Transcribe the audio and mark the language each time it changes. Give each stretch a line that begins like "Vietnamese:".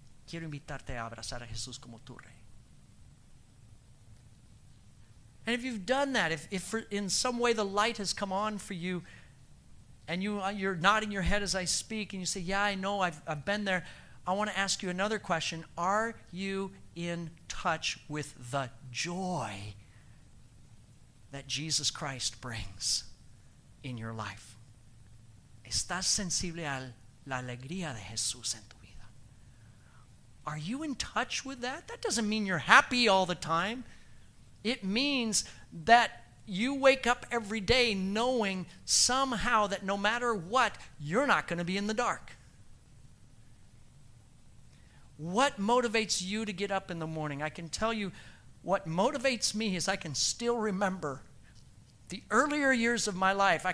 Spanish: Quiero invitarte a abrazar a Jesús como tu rey.
English: And if you've done that, if in some way the light has come on for you, and you're nodding your head as I speak, and you say, yeah, I know, I've been there, I want to ask you another question. Are you in touch with the joy that Jesus Christ brings in your life?
Spanish: ¿Estás sensible a la alegría de Jesús en tu vida?
English: Are you in touch with that? That doesn't mean you're happy all the time. It means that you wake up every day knowing somehow that no matter what, you're not going to be in the dark. What motivates you to get up in the morning? I can tell you, what motivates me is I can still remember the earlier years of my life.